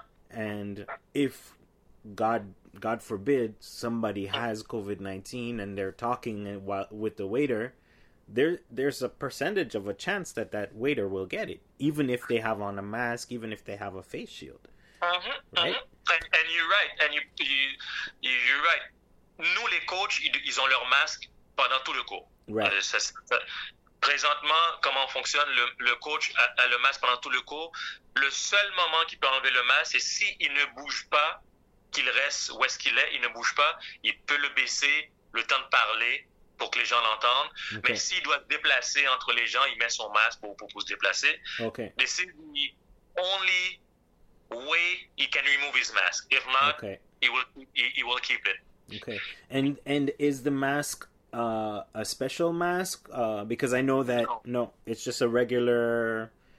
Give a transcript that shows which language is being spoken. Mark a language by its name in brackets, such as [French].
[English] And if God forbid somebody has COVID-19 and they're talking with the waiter, there's a percentage of a chance that waiter will get it, even if they have on a mask, even if they have a face shield. And you're right. And you're right. [French] Nous les coachs, ils ont leur masque pendant tout le cours. [English] Right. [French] Présentement, comment fonctionne le coach a le masque pendant tout le cours. Le seul moment qu'il peut enlever le masque, c'est s'il ne bouge pas, qu'il reste où est-ce qu'il est, il ne bouge pas, il peut le baisser le temps de parler pour que les gens l'entendent. [English] Okay. [French] Mais s'il doit se déplacer entre les gens, il met son masque pour se déplacer. [English] Okay. [French] Mais c'est [English] the only way he can remove his mask. If not, he will keep it. Okay. And is the mask a special mask? Because I know that no, it's just a regular.